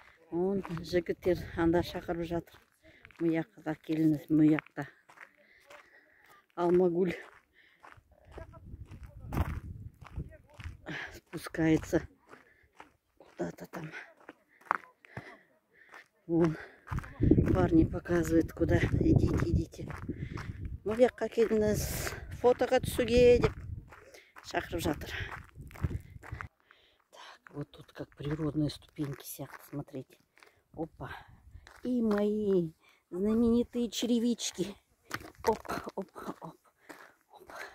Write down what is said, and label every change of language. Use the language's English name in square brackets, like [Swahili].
[Kazakh] Он жігіттер анда шақырып жатыр. Мұяққа келіңіз, мұяқта. [Russian] Алмагүл спускается куда-то там. Вон парни показывают, куда идите, идите. [Kazakh] Мұяққа келіңіз, фотоға түсуге деп шақырып жатыр. [Russian] Так, вот тут как природные ступеньки [Kazakh] сияқты, [Russian] смотрите. Опа. И мои знаменитые черевички. Оп, оп, оп, оп.